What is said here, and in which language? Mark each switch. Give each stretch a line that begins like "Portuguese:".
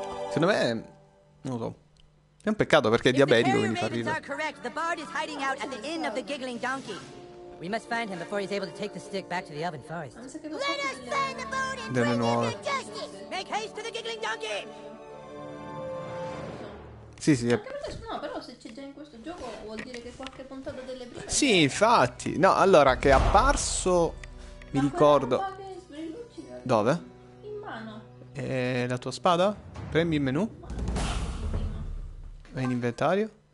Italian: Secondo me, non lo so. È un peccato perché è diabetico, quindi fa ridere.
English: The bard is hiding out at the inn of the giggling donkey. We must find him before he's able to take the stick back to the Elven Forest. Let us find the boat and bring him to justice! Make haste to the giggling donkey!
Italian: Sì, sì. No, però se c'è già in questo gioco vuol dire che qualche puntata delle prime... Sì, infatti. No, allora, che è apparso... Mi ricordo... Dove? In mano. E la tua spada? Premi il menu. Vai in inventario.